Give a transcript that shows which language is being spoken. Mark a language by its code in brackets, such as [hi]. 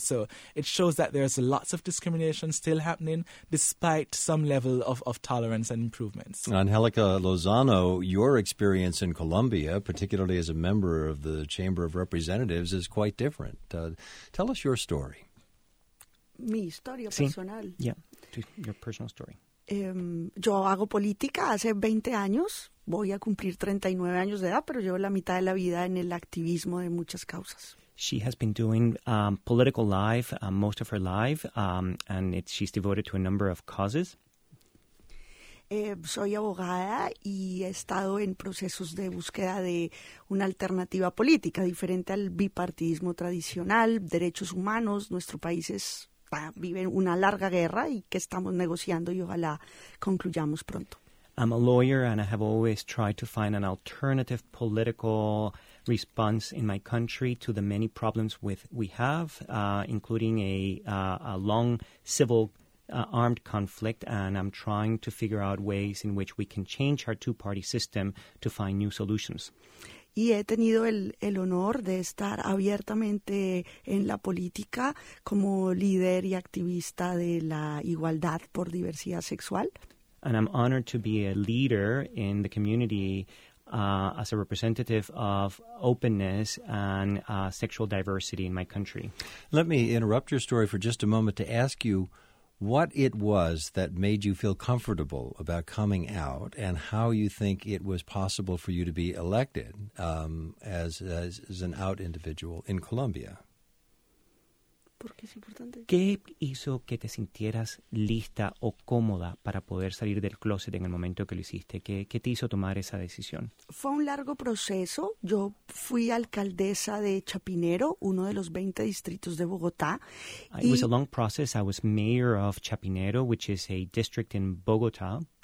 [en] So it shows that there's lots of discrimination still happening, despite some level of tolerance and improvements. Angelica Lozano, your experience in Colombia, particularly as a member of the Chamber of Representatives, is quite different. Tell us your story. [es] Mi historia personal. Sí. [en] Yeah, your personal story. [es] Yo hago política hace 20 años, voy a cumplir 39 años de edad, pero llevo la mitad de la vida en el activismo de muchas causas. [en] She has been doing political life most of her life, and she's devoted to a number of causes. [es] Soy abogada y he estado en procesos de búsqueda de una alternativa política, diferente al bipartidismo tradicional, derechos humanos, nuestro país es... viven una larga guerra y que estamos negociando y ojalá concluyamos pronto. [en] I'm a lawyer and I have always tried to find an alternative political response in my country to the many problems we have, including a long civil armed conflict, and I'm trying to figure out ways in which we can change our two-party system to find new solutions. [es] Y he tenido el honor de estar abiertamente en la política como líder y activista de la igualdad por diversidad sexual. [en] And I'm honored to be a leader in the community as a representative of openness and sexual diversity in my country. Let me interrupt your story for just a moment to ask you what it was that made you feel comfortable about coming out and how you think it was possible for you to be elected as an out individual in Colombia. [es] Porque es importante. ¿Qué hizo que te sintieras lista o cómoda para poder salir del closet en el momento que lo hiciste? ¿Qué te hizo tomar esa decisión? Fue un largo proceso. Yo fui alcaldesa de Chapinero, uno de los 20 distritos de Bogotá. [en] It was a long process. I was mayor of Chapinero, which is a district in Bogotá.